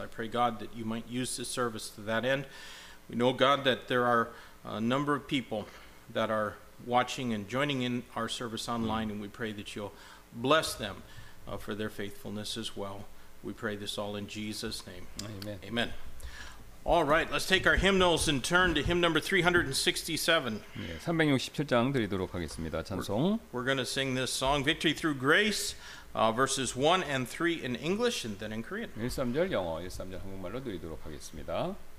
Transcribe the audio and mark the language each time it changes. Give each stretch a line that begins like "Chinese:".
English: I pray, God, that you might use this service to that end. We know, God, that there are a number of people that are watching and joining in our service online, and we pray that you'll bless them for their faithfulness as well. We pray this all in Jesus' name. Amen. Amen. All right, let's take our hymnals and turn to hymn number 367.
Korean: 367장 드리도록 하겠습니다. 찬송.
English: We're going to sing this song, Victory Through Grace, verses 1 and 3 in English and then in Korean.
Korean: 13절 영어, 13절 한국말로 드리도록 하겠습니다.